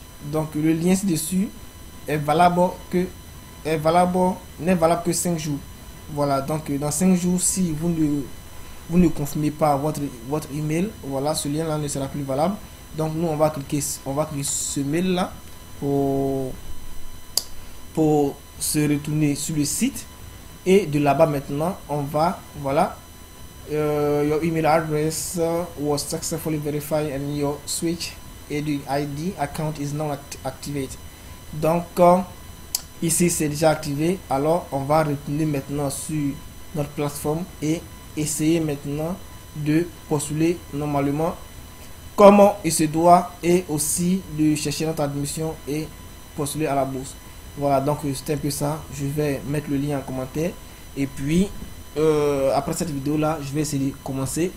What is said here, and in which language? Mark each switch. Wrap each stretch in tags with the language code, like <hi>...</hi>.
<fr>Donc, le lien ci-dessus n'est valable que 5 jours. Voilà, donc dans 5 jours, si vous ne confirmez pas votre email, voilà, ce lien-là ne sera plus valable. Donc, nous, on va cliquer ce mail-là pour se retourner sur le site. Et de là-bas maintenant, on va, voilà,</fr> <en>your email address was successfully verified and your switch ID account is now activated.</en> <fr>Donc, ici c'est déjà activé. Alors, on va retourner maintenant sur notre plateforme et essayer maintenant de postuler normalement comme il se doit et aussi de chercher notre admission et postuler à la bourse. Voilà, donc c'était un peu ça. Je vais mettre le lien en commentaire. Et puis, après cette vidéo-là, je vais essayer de commencer.</fr>